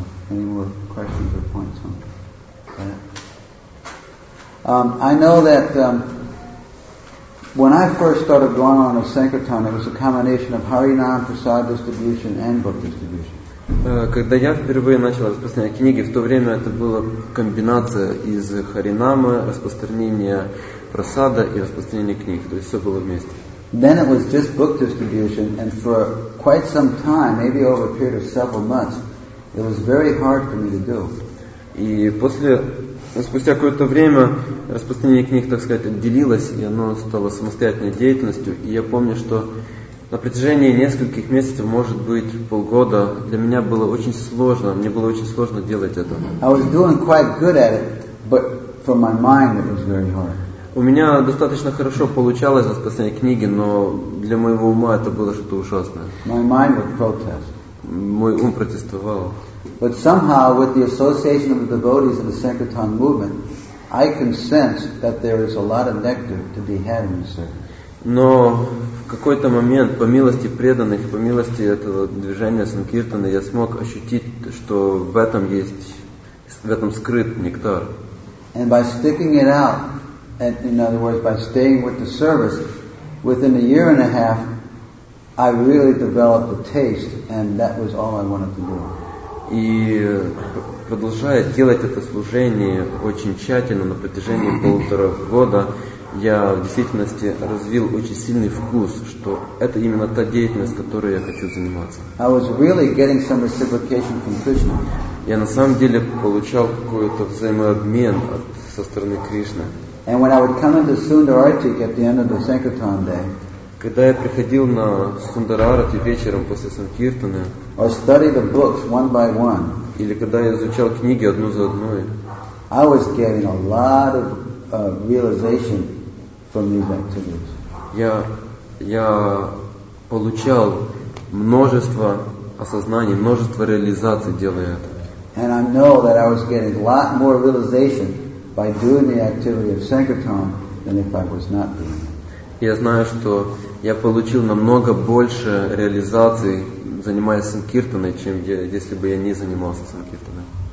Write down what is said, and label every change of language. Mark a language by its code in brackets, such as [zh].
[en] Any more questions or points on that? I know that when I first started going on a Sankirtan, it was a combination of Harinam Prasad distribution and book distribution. [ru] Когда я впервые начал распространять книги, в то время это была комбинация из харинамы, распространения просада и распространения книг. То есть все было вместе. [en] Then it was just book distribution, and for quite some time, maybe over a period of several months, it was very hard for me to do. [ru] И после, спустя какое-то время, распространение книг, так сказать, отделилось, и оно стало самостоятельной деятельностью. И я помню, что на протяжении нескольких месяцев, может быть, полгода, для меня было очень сложно, мне было очень сложно делать это. [en] I was doing quite good at it, but for my mind it was very hard. [ru] У меня достаточно хорошо получалось распространение книги, но для моего ума это было что-то ужасное. [en] My mind would protest. [ru] Мой ум протестовал. [en] But somehow, with the association of the devotees of the Sankirtan movement, I can sense that there is a lot of nectar to be had in the service. [ru] Но в какой-то момент, по милости преданных, по милости этого движения Санкиртана, я смог ощутить, что в этом есть, в этом скрыт нектар. [en] And by sticking it out, and in other words, by staying with the service, within a year and a half, I really developed a taste, and that was all I wanted to do. [ru] И продолжая делать это служение очень тщательно на протяжении полутора года, я в действительности развил очень сильный вкус, что это именно та деятельность, которой я хочу заниматься. [en] I was really getting some reciprocation from Krishna. [ru] Я на самом деле получал какой-то взаимообмен от, со стороны Кришны. [en] And when I would come into Sundararchic at the end of the Sankirtan day, [ru] когда я приходил на Сундарарати вечером после Санкиртаны, [en] or study the books one by one, [ru] или когда я изучал книги одну за одной, [en] I was getting a lot of realization from these activities. [ru] Я получал множество осознаний, множество реализаций, делая это. [en] And I know that I was getting a lot more realization by doing the activity of Sankirtan than if I was not doing it. [ru] Я знаю, что я получил намного больше реализаций, занимаясь Санкиртаной, чем я, если бы я не занимался Санкиртаной.